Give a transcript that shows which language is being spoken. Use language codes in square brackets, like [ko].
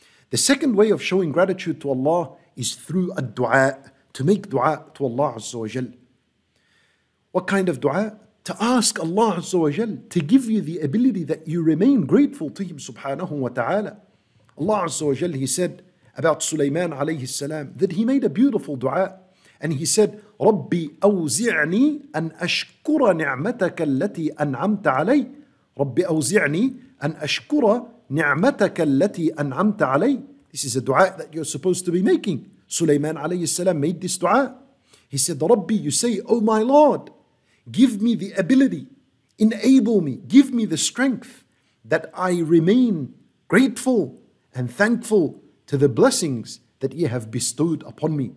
[en] The second way of showing gratitude to Allah is through a dua, to make dua to Allah Azza wa Jal. What kind of dua? To ask Allah Azza wa Jal to give you the ability that you remain grateful to Him subhanahu wa ta'ala. Allah Azza wa Jal, He said about Sulaiman alayhi salam that he made a beautiful dua. [ar] And he said, رَبِّي أَوْزِعْنِي أَنْ أَشْكُرَ نِعْمَتَكَ الَّتِي أَنْعَمْتَ عَلَيْ رَبِّي أَوْزِعْنِي أَنْ أَشْكُرَ نِعْمَتَكَ الَّتِي أَنْعَمْتَ عَلَيْ. [en] This is a dua that you're supposed to be making. Sulaiman alayhi salam made this dua. He said, [ar] رَبِّي, [en] you say, O my Lord, give me the ability, enable me, give me the strength that I remain grateful and thankful to the blessings that you have bestowed upon me.